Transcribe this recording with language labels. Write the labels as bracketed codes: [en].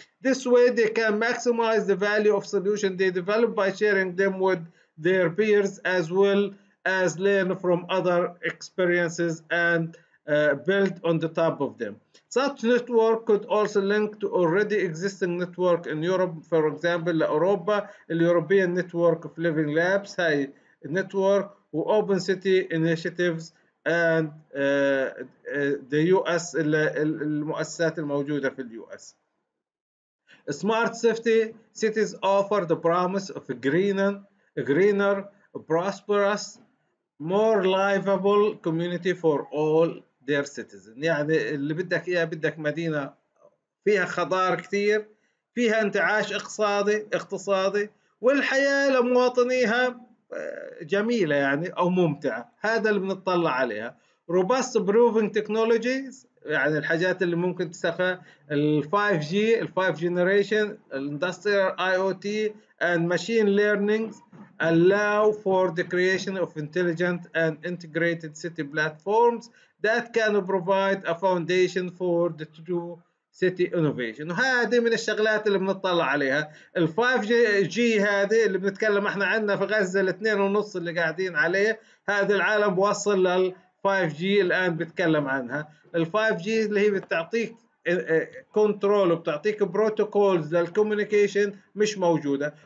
[en] This way they can maximize the value of solution they develop by sharing them with their peers as well as learn from other experiences and build on the top of them. Such network could also link to already existing network in Europe, for example, Europa, the European Network of Living Labs, هاي network, Open City Initiatives, and the US, [ar] المؤسسات الموجودة في US. [en] Smart cities offer the promise of greener, prosperous, more livable community for all their citizens. [ar] يعني اللي بدك إياه، بدك مدينة فيها خضار كتير، فيها انتعاش اقتصادي والحياة لمواطنيها جميلة يعني أو ممتعة، هذا اللي بنطلع عليها. [en] Robust proven technologies، [ar] يعني الحاجات اللي ممكن تستخدمها، [en] ال5G، ال5 generation، industrial IoT and machine learning allow for the creation of intelligent and integrated city platforms that can provide a foundation for the true city innovation. [ar] وهذه من الشغلات اللي بنطلع عليها، ال5G هذه اللي بنتكلم احنا عندنا في غزة ال2.5 اللي قاعدين عليه، هذا العالم وصل لل 5G الآن بتكلم عنها. ال5G اللي هي بتعطيك كنترول وبتعطيك بروتوكولز للكوميونيكيشن مش موجوده.